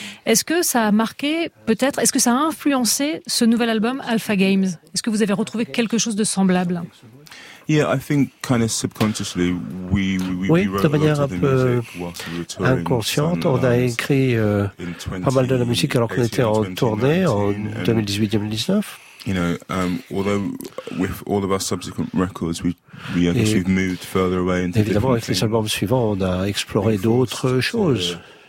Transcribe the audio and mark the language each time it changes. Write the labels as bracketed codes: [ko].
[fr] Est-ce que ça a marqué, peut-être, est-ce que ça a influencé ce nouvel album, Alpha Games? Est-ce que vous avez retrouvé quelque chose de semblable? Oui, de manière un peu inconsciente, on a écrit pas mal de la musique alors qu'on était en tournée en 2018-2019. [en] With all of our subsequent records, we've moved further away into. [fr] Évidemment, avec les albums suivants, on a exploré d'autres choses.